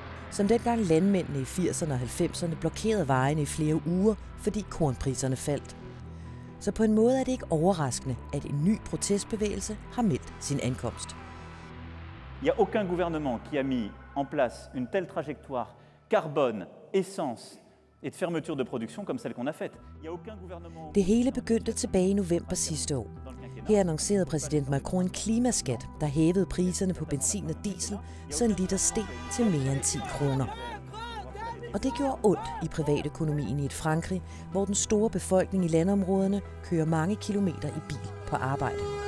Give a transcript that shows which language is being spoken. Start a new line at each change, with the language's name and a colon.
Danish: Som dengang landmændene i 80'erne og 90'erne blokerede vejene i flere uger, fordi kornpriserne faldt. Så på en måde er det ikke overraskende, at en ny protestbevægelse har meldt sin ankomst.
French: Il n'y a aucun gouvernement qui a mis en place une telle trajectoire carbone, essence et de fermeture de production comme celle qu'on a faite. Il n'y a aucun gouvernement.
Danish: Det hele begyndte tilbage i november sidste år. Her annoncerede præsident Macron en klimaskat, der hævede priserne på benzin og diesel, så en liter steg til mere end 10 kroner. Og det gjorde ondt i privatøkonomien i et Frankrig, hvor den store befolkning i landområderne kører mange kilometer i bil på arbejde.